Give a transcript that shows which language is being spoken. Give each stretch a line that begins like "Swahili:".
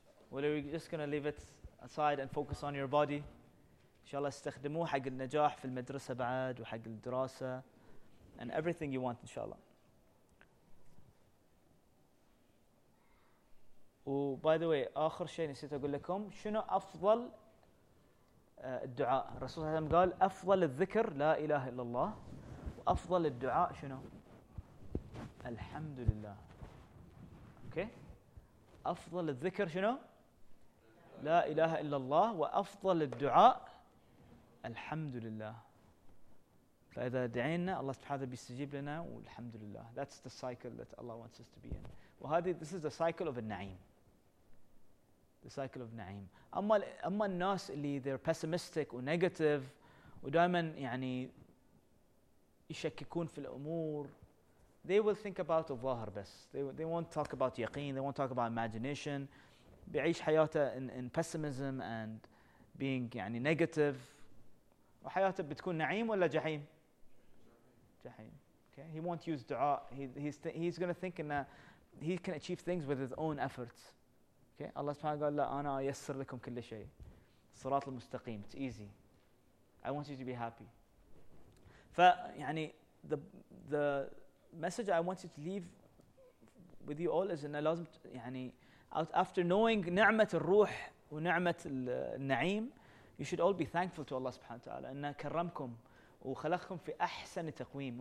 English: Or are you just gonna leave it aside and focus on your body?
Arabic: Inshallah, استخدموه حق النجاح في المدرسة بعد وحق الدراسة.
English: And everything you want, inshallah. Oh, by the way,
Arabic: آخر شيء نسيت أقول لكم, شنو أفضل الدعاء؟ الرسول صلى الله عليه وسلم قال أفضل الذكر لا إله إلا الله, وأفضل الدعاء شنو؟ الحمد لله.
English: Okay.
Arabic: أفضل الذكر شنو؟ لا إله إلا الله, وأفضل الدعاء الحمد لله. فإذا دعينا الله سبحانه بيستجيب لنا والحمد لله.
English: That's the cycle that Allah wants us to be in.
Arabic: وهذه,
English: this is the cycle of النعيم. The cycle of نعيم.
Arabic: أما الناس اللي
English: they're pessimistic
Arabic: ونegative ودائما يعني يشككون في الأمور,
English: they will think about
Arabic: الظاهر بس.
English: They won't talk about يقين. They won't talk about imagination.
Arabic: بيعيش حياته
English: in pessimism and being
Arabic: يعني
English: negative.
Arabic: وحياته بتكون نعيم ولا جحيم؟ جحيم.
English: Okay. He won't use دعاء. He's going to think in that he can achieve things with his own efforts. Okay.
Arabic: Allah سبحانه قال لا أنا أيسر لكم كل شيء. الصراط المستقيم.
English: It's easy. I want you to be happy.
Arabic: فيعني
English: the message I want you to leave with you all is
Arabic: إن لازم يعني
English: after knowing نعمة الروح ونعمة النعيم, you should all be thankful to Allah سبحانه وتعالى
Arabic: إن كرمكم وخلقكم في أحسن تقويم.